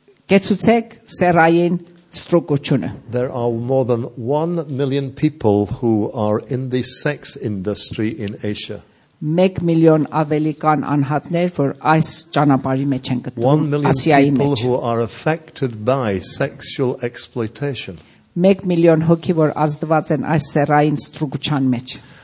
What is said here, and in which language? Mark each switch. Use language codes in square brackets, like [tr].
[hy] Գեցուցեք սեռային ստրուկությունը. [en] There are more than 1 million people who are in the sex industry in Asia. [hy] 1 million ավելի կան անհատներ, որ այս ճանապարհի մեջ են գտնվում, Ասիայի մեջ. [en] 1 million people who are affected by sexual exploitation. [hy] 1 million հոգի, որ ազդված են այս սեռային ստրուկության մեջ.